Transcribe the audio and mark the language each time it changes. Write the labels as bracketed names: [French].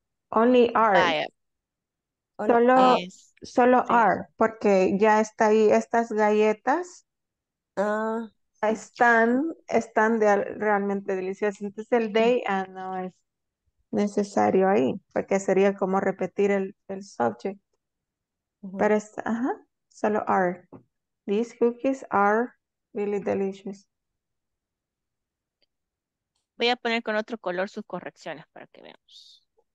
[English] Only are. Ah, yeah. Solo, yes. [Spanish] Solo are, porque ya está ahí, estas galletas están de, realmente deliciosas. Entonces el day no es necesario ahí, porque sería como repetir el subject. Pero es, solo [English] are. These cookies are really delicious. [Spanish] Voy a poner con otro color sus correcciones para que veamos.